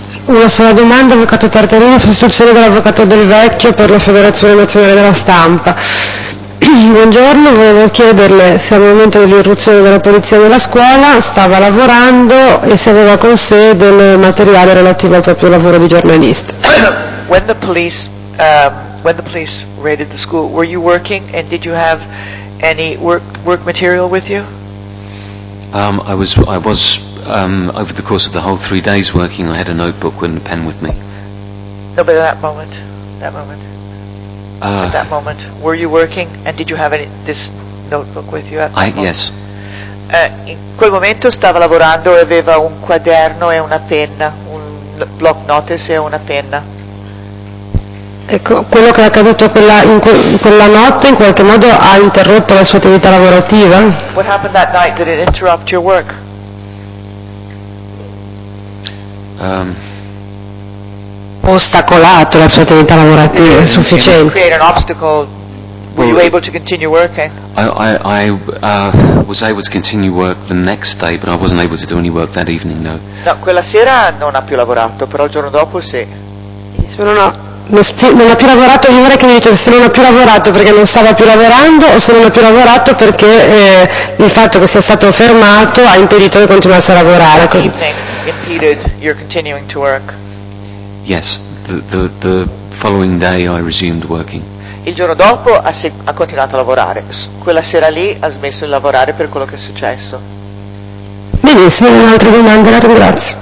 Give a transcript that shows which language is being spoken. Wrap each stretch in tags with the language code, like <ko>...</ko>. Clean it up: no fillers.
<it>Una sola domanda, avvocato Tartarino, sostituzione dell'avvocato Del Vecchio per la Federazione Nazionale della Stampa. Buongiorno, volevo chiederle se al momento dell'irruzione della polizia nella scuola stava lavorando e se aveva con sé del materiale relativo al proprio lavoro di giornalista.</it> <en>When the police raided the school, were you working and did you have any work material with you? I was over the course of the whole 3 days working, I had a notebook and a pen with me. No, but at that moment, were you working and did you have any, this notebook with you at that moment? Yes.</en> <it>In quel momento stava lavorando e aveva un quaderno e una penna, un block notes e una penna. Ecco, quello che è accaduto quella notte in qualche modo ha interrotto la sua attività lavorativa?</it> <en>What happened that night? Did it interrupt your work?</en> <it>Ostacolato la sua attività lavorativa, è sufficiente.</it> <en>Create an obstacle. Were you able to continue working? I was able to continue work the next day, but I wasn't able to do any work that evening, no.</en> <it>No, quella sera non ha più lavorato, però il giorno dopo sì. Non ha più lavorato, gli vorrei che mi dicesse se non ha più lavorato perché non stava più lavorando o se non ha più lavorato perché il fatto che sia stato fermato ha impedito che continuasse a lavorare.</it> <en>Impeded your continuing to work. Yes, the following day I resumed working.</en> <it>Il giorno dopo ha continuato a lavorare. Quella sera lì ha smesso di lavorare per quello che è successo. Benissimo, un'altra domanda, la ringrazio.</it>